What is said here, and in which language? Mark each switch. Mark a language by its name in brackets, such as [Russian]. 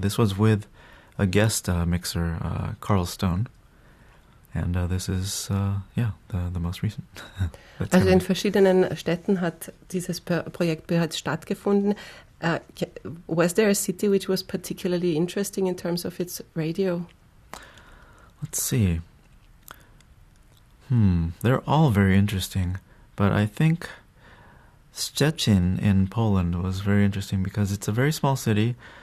[English] This was with a guest mixer, Carl Stone. And this is, the most recent. [German] Also in verschiedenen Städten hat dieses Projekt bereits stattgefunden. [English] Was there a city which was particularly interesting in terms of its radio? Let's see. They're all very interesting, but I think Szczecin in Poland was very interesting because it's a very small city.